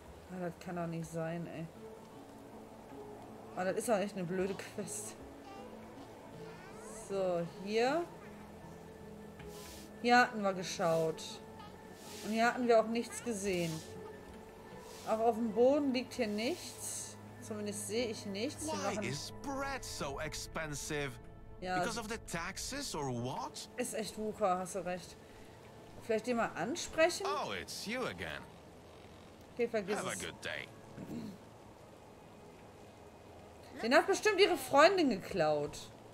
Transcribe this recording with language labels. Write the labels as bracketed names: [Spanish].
[German] Ah, das kann doch nicht sein, ey. Ah, das ist doch echt eine blöde Quest. So, hier. Hier hatten wir geschaut. Und hier hatten wir auch nichts gesehen. Auch auf dem Boden liegt hier nichts. Zumindest sehe ich nichts. [English] Why is bread so expensive? [German] Ja, [English] because of the taxes or what? [German] Ist echt Wucher, hast du recht. Vielleicht den mal ansprechen? [English] Oh, it's you again. [German] Okay, vergiss [English] Have [German] es. [English] A good day. [German] Den hat bestimmt ihre Freundin geklaut.